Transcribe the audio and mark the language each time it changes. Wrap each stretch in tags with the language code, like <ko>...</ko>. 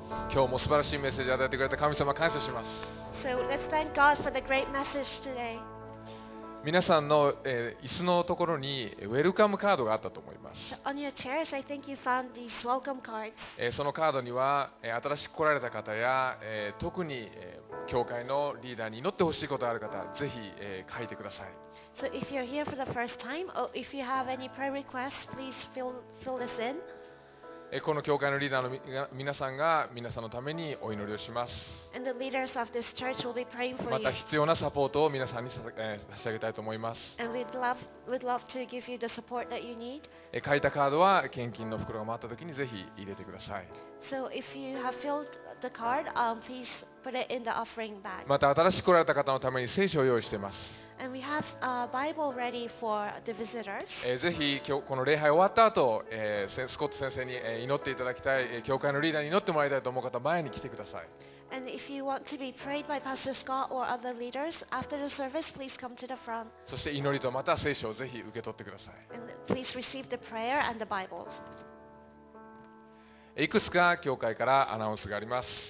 <ja>今日も素晴らしいメッセージを与えてくれた神様、感謝します。</ja> <en>So, let's thank God for the great message today.</en> <ja>皆さんの、椅子のところにウェルカムカードがあったと思います。</ja> <en>On your chairs, I think you found these welcome cards.</en> <ja>そのカードには、新しく来られた方や、特に、教会のリーダーに祈ってほしいことがある方、ぜひ、書いてください。</ja> <en>So if you're here for the first time, or if you have any prayer requests, please fill this in.</en> <ja>この教会のリーダーの皆さんが皆さんのためにお祈りをします。</ja> <en>And the leaders of this church will be praying for you.</en> <ja>また必要なサポートを皆さんに差し上げたいと思います。</ja> <en>And we'd love to give you the support that you need.</en> <ja>書いたカードは献金の袋が回った時にぜひ入れてください。</ja> <en>So if you have filled the card, please put it in the offering bag.</en> <ja>また新しく来られた方のために聖書を用意しています。</ja> <en>And we have a Bible ready for the visitors.</en> <ja>ぜひ今日この礼拝終わった後、スコット先生に祈っていただきたい、教会のリーダーに祈ってもらいたいと思う方、前に来てください。</ja> <en>And if you want to be prayed by Pastor Scott or other leaders after the service, please come to the front.</en> <ja>そして祈りとまた聖書をぜひ受け取ってください。</ja> <en>And please receive the prayer and the Bibles.</en> <ja>いくつか教会からアナウンスがあります。</ja>